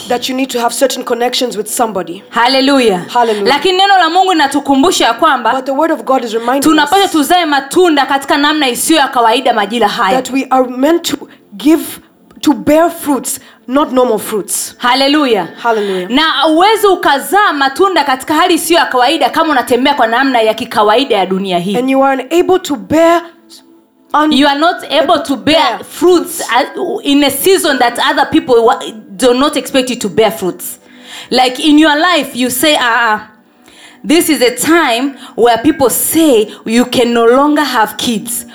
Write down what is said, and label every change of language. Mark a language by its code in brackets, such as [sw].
[en] That you need to have certain connections with somebody. Hallelujah. Hallelujah. [sw] Lakini neno la Mungu linatukumbusha kwamba. [en] But the word of God is reminding [sw] us. Tunapaswa tuzae matunda katika namna isiyo ya kawaida majira haya. [en] That we are meant to bear fruits, not normal fruits. Hallelujah. Hallelujah. [sw] Na uweze ukazaa matunda katika hali sio ya kawaida kama unatembea kwa namna ya kikawaida ya dunia hii. [en] And you are unable to bear fruits in a season that other people do not expect you to bear fruits. Like in your life you say this is a time where people say you can no longer have kids.